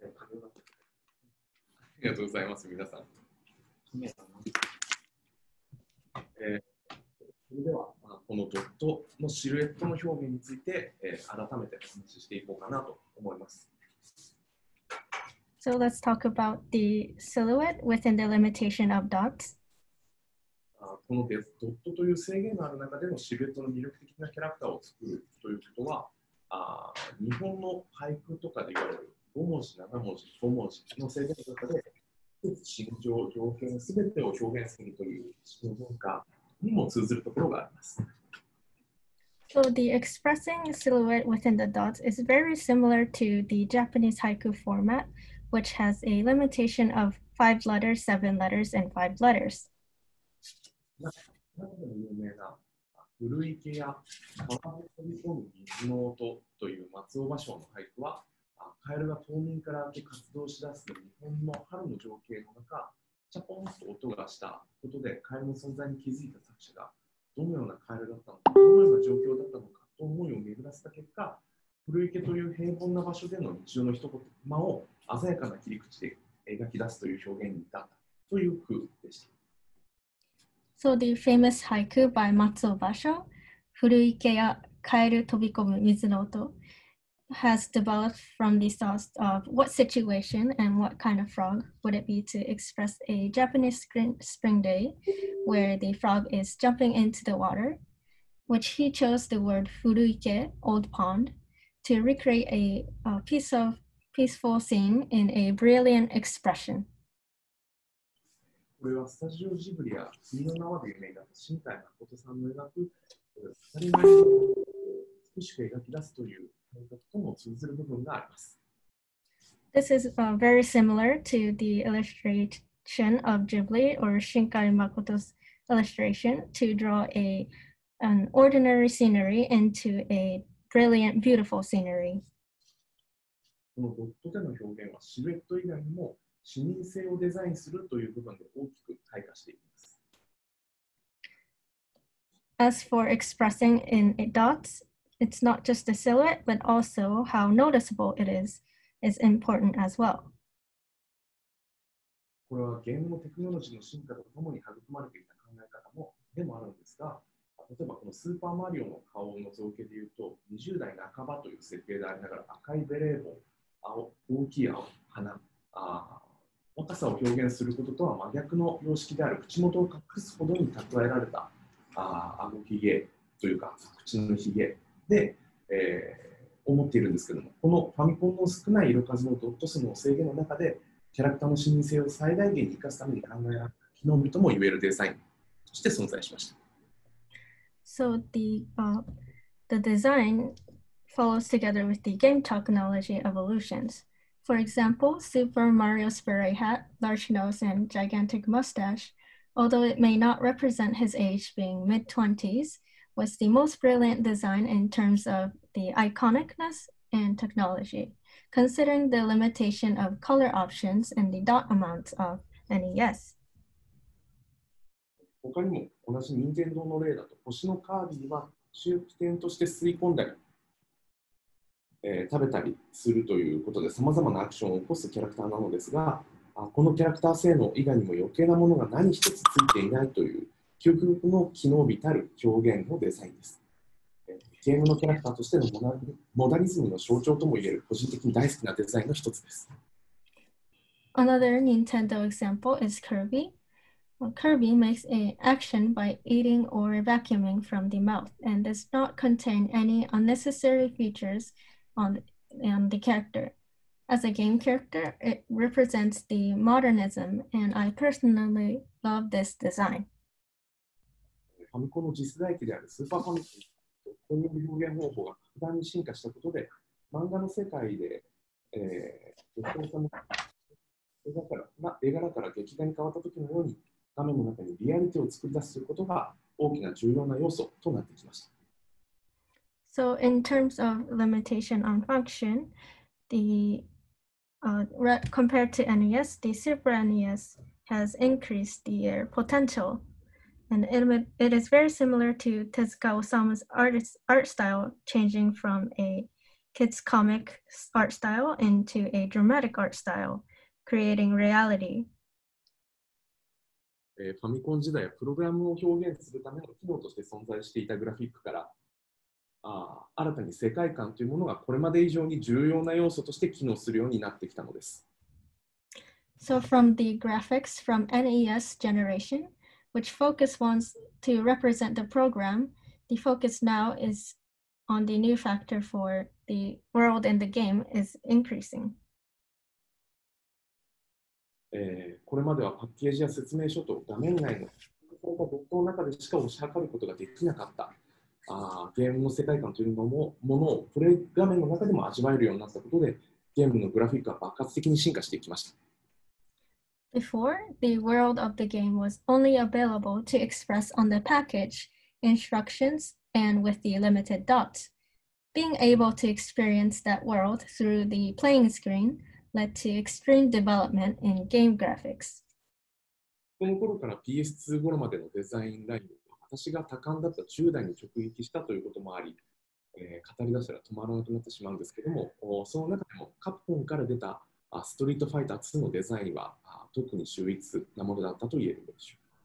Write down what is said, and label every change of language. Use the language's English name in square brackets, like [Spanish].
[Japanese] ありがとうございます、皆さん。それでは、このドットのシルエットの表現について、改めてお話ししていこうかなと思います。 [English] So let's talk about the silhouette within the limitation of dots. [Japanese] このドットという制限のある中でのシルエットの魅力的なキャラクターを作るということは、日本の俳句とかで言われる5文字、7文字、5文字の制限の中で、心情、条件すべてを表現するという詩の文化にも通ずるところがあります。 [English] So the expressing silhouette within the dots is very similar to the Japanese haiku format, which has a limitation of 5 letters, 7 letters, and 5 letters. [Japanese] 中でも有名な古池や川に飛び込む水の音という松尾芭蕉の俳句は、カエルが冬眠から明け活動しだす日本の春の情景の中、チャポンと音がしたことでカエルの存在に気づいた作者が、どのようなカエルだったのか、どのような状況だったのかと思いを巡らせた結果、古池という平凡な場所での日常の一言を鮮やかな切り口で描き出すという表現に至ったという句でした。 [English] So the famous haiku by Matsuo Basho, [Japanese] Furu Ike ya Kaeru Tobi Komu Mizu no Oto, [English] has developed from the thoughts of what situation and what kind of frog would it be to express a Japanese spring day where the frog is jumping into the water, which he chose the word Furu Ike, old pond, to recreate a piece of peaceful scene in a brilliant expression. [Japanese] これはスタジオジブリや君の名はで有名だった新海誠さんの描く当たり前のことを美しく描き出すという感覚とも通ずる部分があります。 [English] This is very similar to the illustration of Ghibli or 新海誠's illustration to draw an ordinary scenery into a brilliant, beautiful scenery. [Japanese] このドットでの表現はシルエット以外にも視認性をデザインするという部分で大きく開花しています。 [English] As for expressing in dots, it's not just the silhouette, but also how noticeable it is important as well. [Japanese] これは言語テクノロジーの進化とともに育まれていた考え方もでもあるんですが、例えばこのスーパーマリオの顔の造形でいうと、20代半ばという設定でありながら赤いベレー帽、青、大きい青、鼻、若さを表現することとは真逆の様式である口元を隠すほどに蓄えられた顎ひげというか口のひげで、思っているんですけども、このファミコンの少ない色数のドット数の制限の中でキャラクターの視認性を最大限に活かすために考えられた機能美とも言えるデザインとして存在しました。 [English] So the design follows together with the game technology evolutions. For example, Super Mario's beret hat, large nose, and gigantic mustache, although it may not represent his age being mid-20s, was the most brilliant design in terms of the iconicness and technology. Considering the limitation of color options and the dot amounts of NES. [Japanese] 他にも同じ任天堂の例だと、星のカービィは終点として吸い込んだり、食べたりするということで様々なアクションを起こすキャラクターなのですが、このキャラクター性能以外にも余計なものが何一つついていないという究極の機能美たる表現のデザインです。ゲームのキャラクターとしてのモダニズムの象徴ともいえる個人的に大好きなデザインの一つです。 [English] Another Nintendo example is Kirby. Kirby makes an action by eating or vacuuming from the mouth and does not contain any unnecessary features on the character. As a game character, it represents the modernism and I personally love this design. [Japanese] ファミコンの次世代機であるスーパーファミコン。表現方法が格段に進化したことで、漫画の世界で、絵柄から劇画に変わったときのように、画面の中にリアリティを作り出すことが大きな重要な要素となってきました。 [English] So in terms of limitation on function, compared to NES, the Super NES has increased the potential. And it is very similar to Tezuka Osamu's art style changing from a kid's comic art style into a dramatic art style, creating reality. [Japanese] ファミコン時代はプログラムを表現するための機能として存在していたグラフィックから、新たに世界観というものがこれまで以上に重要な要素として機能するようになってきたのです。 [English] So from the graphics from NES generation,Which focus wants to represent the program, the focus now is on the new factor for the world in the game is increasing. [Japanese] これまではパッケージや説明書と画面内の動画の中でしか推し量ることができなかった。ゲームの世界観というのもものをプレイ画面の中でも味わえるようになったことで、ゲームのグラフィックは爆発的に進化していきました。 [English] Before, the world of the game was only available to express on the package, instructions, and with the limited dots. Being able to experience that world through the playing screen led to extreme development in game graphics. [Japanese] この頃から PS2 頃までのデザインラインは私が多感だった10代に直撃したということもあり、語り出したら止まらなくなってしまうんですけども、その中でもカプコンから出たストリートファイター2のデザインは特に秀逸なものだったと言えるでしょう。